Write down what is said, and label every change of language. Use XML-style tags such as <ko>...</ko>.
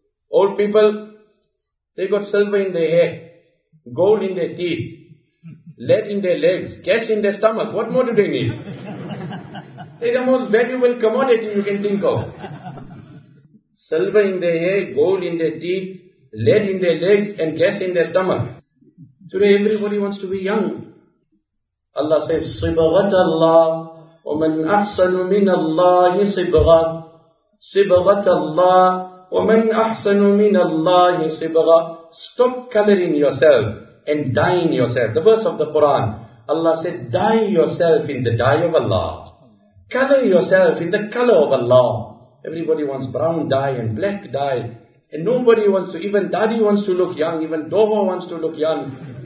<en>Old people, they got silver in their hair, gold in their teeth, lead in their legs, gas in their stomach. What more do they need? They're the most valuable commodity you can think of. Silver in their hair, gold in their teeth, lead in their legs, and gas in their stomach. Today everybody wants to be young. Allah says,</en> <ar>صِبَغَةَ اللَّهِ وَمَنْ أَحْسَنُ مِنَ اللَّهِ صِبْغَةَ صِبَغَةَ اللَّهِ وَمَنْ أَحْسَنُ مِنَ اللَّهِ صِبْغًا.</ar> <en>Stop coloring yourself and dyeing yourself. The verse of the Quran, Allah said, dye yourself in the dye of Allah. Color yourself in the color of Allah. Everybody wants brown dye and black dye. And nobody wants to, even daddy wants to look young, even Doha wants to look young.</en>